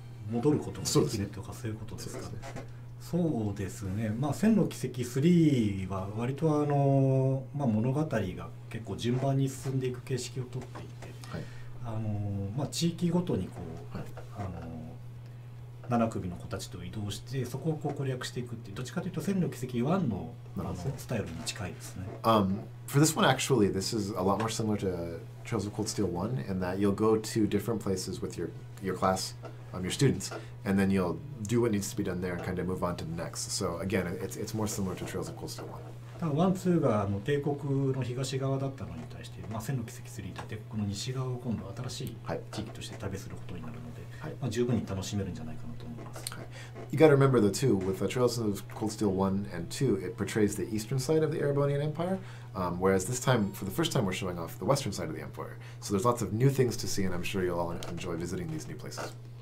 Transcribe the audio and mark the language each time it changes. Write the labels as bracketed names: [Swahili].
[Japanese] 戻ることもできるとかそういうことですか。そうですね、まあ、千の奇跡3は割とまあ、物語が結構順番に進んでいく形式をとっていて、はい、まあ、地域ごとにこう、はい、7首の子たちと移動してそこをこう攻略していくっていう、どっちかというと千の奇跡1 の、 スタイルに近いですね。 [English] For this one actually, this is a lot more similar to Trails of Cold Steel 1 in that you'll go to different places with your class,your students, and then you'll do what needs to be done there and kind of move on to the next. So again, it's more similar to Trails of Cold Steel 1. [Japanese] ただ 1-2 が帝国の東側だったのに対して、まあ、千の奇跡3って帝国の西側を今度新しい地域として旅することになるので、はい、まあ、十分に楽しめるんじゃないかなと思います。 [English] はい、You gotta remember though too, with the Trails of Cold Steel 1 and 2, it portrays the eastern side of the Erebonian Empire,whereas this time, for the first time, we're showing off the western side of the empire. So there's lots of new things to see, and I'm sure you'll all enjoy visiting these new places.